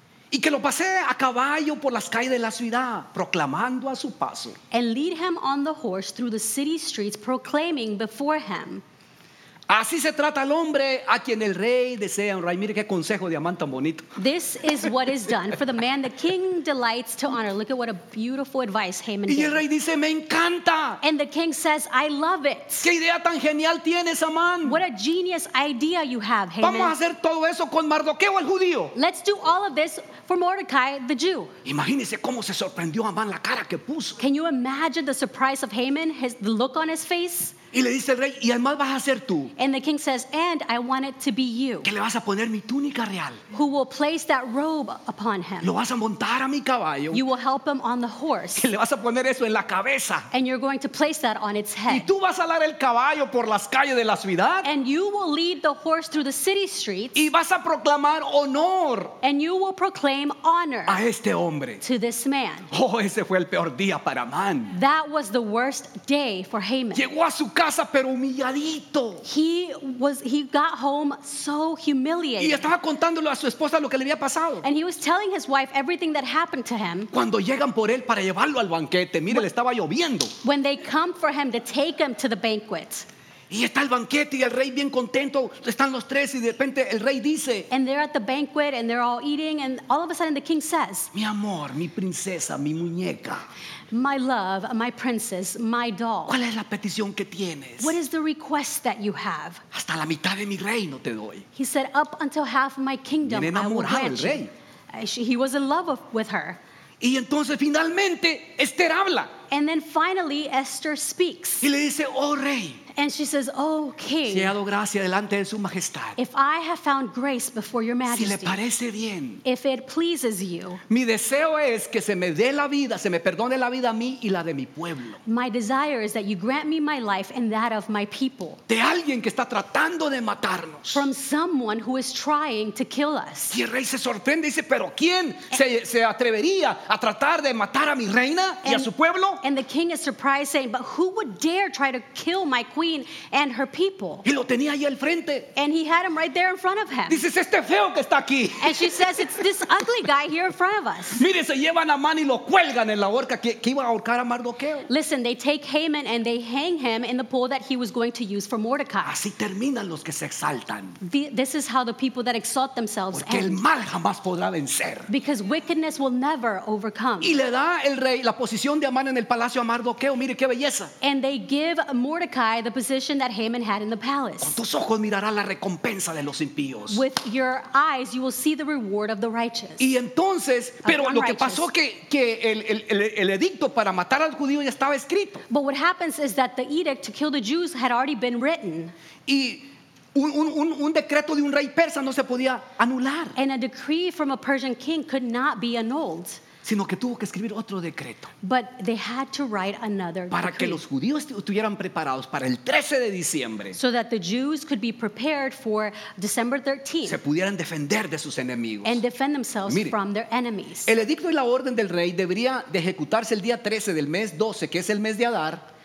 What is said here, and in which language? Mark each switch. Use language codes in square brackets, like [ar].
[es] Y que lo pasee a caballo por las calles de la ciudad, proclamando a su paso. [en] And lead him on the horse through the city streets, proclaiming before him. [es] Así se trata al hombre a quien el rey desea honrar. Mire qué consejo de Amán tan bonito. [en] This is what is done for the man the king delights to honor. Look at what a beautiful advice Haman gave. [es] Y el rey dice, me encanta. [en] And the king says, I love it. [es] Qué idea tan genial tienes, Amán. [en] What a genius idea you have, Haman. [es] Vamos a hacer todo eso con Mardoqueo, el judío. [en] Let's do all of this for Mordecai, the Jew. [es] Imagínese cómo se sorprendió Amán la cara que puso. [en] Can you imagine the surprise of Haman, the look on his face? [es] Y le dice el rey, y además vas a ser tú. [en] And the king says, and I want it to be you. [es] Que le vas a poner mi túnica real. [en] Who will place that robe upon him. [es] Lo vas a montar a mi caballo. [en] You will help him on the horse. [es] Que le vas a poner eso en la cabeza. [en] And you're going to place that on its head. [es] Y tú vas a alar el caballo por las calles de la ciudad. [en] And you will lead the horse through the city streets. [es] Y vas a proclamar honor. [en] And you will proclaim honor. [es] A este hombre. [en] To this man. [es] Oh, ese fue el peor día para Amán. [en] That was the worst day for Haman. [es] Llegó a su casa pero humilladito. [en] He got home so humiliated. [es] Y estaba contándole a su esposa lo que le había pasado. [en] And he was telling his wife everything that happened to him. [es] Cuando llegan por él para llevarlo al banquete, mire, le estaba lloviendo. [en] When they come for him to take him to the banquet. [es] Y está el banquete y el rey bien contento, están los tres y de repente el rey dice. [en] And they're at the banquet and they're all eating and all of a sudden the king says. [es] Mi amor, mi princesa, mi muñeca. [en] My love, my princess, my doll. [es] ¿Cuál es la petición que tienes? [en] What is the request that you have? [es] Hasta la mitad de mi reino te doy. [en] He said, up until half of my kingdom I will grant you. [es] El rey. [en] He was in love with her. [es] Y entonces finalmente Esther habla. [en] And then finally Esther speaks. [es] Y le dice, oh rey. [en] And she says, oh king, [es] si he dado gracia delante de su majestad, [en] if I have found grace before your majesty, [es] si le parece bien, [en] if it pleases you, [es] mi deseo es que se me dé la vida, se me perdone la vida a mí y la de mi pueblo. [en] My desire is that you grant me my life and that of my people. [es] De alguien que está tratando de matarnos. [en] From someone who is trying to kill us. [es] Y el rey se sorprende y dice, pero ¿quién se atrevería a tratar de matar a mi reina y a su pueblo? [en] And the king is surprised saying, but who would dare try to kill my queen and her people. [es] Y lo tenía ahí al frente. [en] And he had him right there in front of him. [es] Dices, este feo que está aquí. [en] And she says, it's this ugly guy here in front of us. [es] Mire, se llevan a Amán y lo cuelgan en la horca que iba a ahorcar a Mardoqueo. [en] Listen, they take Haman and they hang him in the pole that he was going to use for Mordecai. [es] Así terminan los que se exaltan. [en] This is how the people that exalt themselves [es] porque [en] end. [es] El mal jamás podrá vencer. [en] Because wickedness will never overcome. [es] Y le da el rey la posición de Amán en el palacio a Mardoqueo. Mire qué belleza. [en] And they give Mordecai the position that Haman had in the palace. [es] Con tus ojos mirará la recompensa de los impíos. [en] With your eyes you will see the reward of the righteous. [es] Y entonces, pero lo que pasó que el edicto para matar al judío ya estaba escrito. [en] But what happens is that the edict to kill the Jews had already been written. [es] Y un decreto de un rey persa no se podía anular. [en] And a decree from a Persian king could not be annulled. [es] Sino que tuvo que escribir otro decreto. [en] But they had to write another [es] para [en] decree. [es] Que los judíos estuvieran preparados para el 13 de diciembre. [en] So that the Jews could be prepared for December 13th. [es] Se pudieran defender de sus enemigos. [en] And defend themselves. [es] Mire, [en] from their enemies. [es] El edicto y la orden del rey debería de ejecutarse el día 13 del mes 12, que es el mes de Adar.